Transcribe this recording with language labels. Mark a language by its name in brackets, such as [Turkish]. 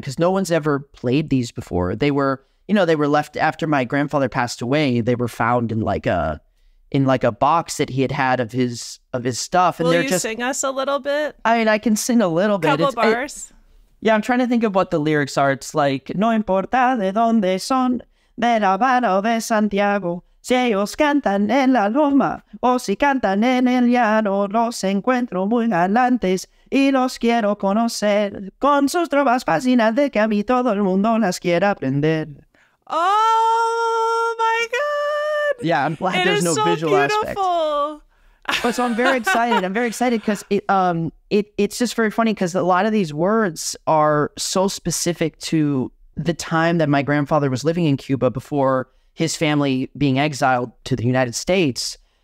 [English] Because no one's ever played these before. They were, you know, they were left after my grandfather passed away. They were found in like a box that he had had of his stuff. And they're just, will you sing us a little bit? I mean, I can sing a little bit. Couple bars. Yeah, I'm trying to think of what the lyrics are. [Spanish] It's like, no importa de donde son, de la Habana o de Santiago, si ellos cantan en la loma o si cantan en el llano, los encuentro muy galantes y los quiero conocer con sus trovas fascinantes que a mí todo el mundo las quiere aprender. [English] Oh my God! Yeah, I'm glad there's no visual aspect. It is so beautiful! But so I'm very excited. I'm very excited because it's just very funny because a lot of these words are so specific to the time that my grandfather was living in Cuba before his family being exiled to the United States.